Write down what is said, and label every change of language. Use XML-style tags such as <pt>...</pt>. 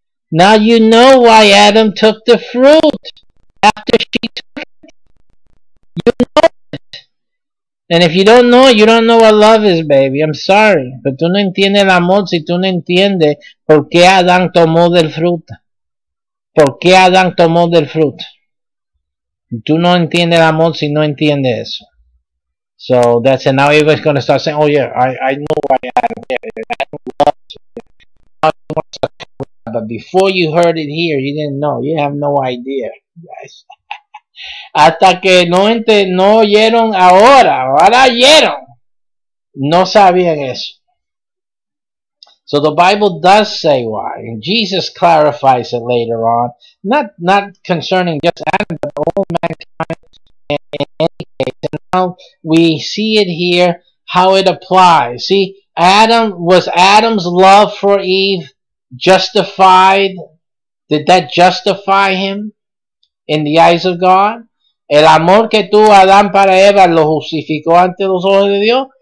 <en>Now you know why Adam took the fruit after she took it. You know it. And if you don't know it, you don't know what love is, baby. I'm sorry.</en> <es>Pero tú no entiendes el amor si tú no entiendes por qué Adán tomó del fruto. ¿Por qué Adán tomó del fruto? Tú no entiendes el amor si no entiendes eso.</es> <en>So that's it. Now everybody's going to start saying, oh yeah, I know why Adam loves you. But before you heard it here, you didn't know. You have no idea. Yes.</en> <es>Hasta que no oyeron ahora oyeron. No sabían eso.</es> <en>So the Bible does say why, and Jesus clarifies it later on, not concerning just Adam, but all mankind in any case. And now we see it here, how it applies. See, Adam's love for Eve justified? Did that justify him in the eyes of God?</en> <es>El amor que tuvo Adán para Eva lo justificó ante los ojos de Dios?</es>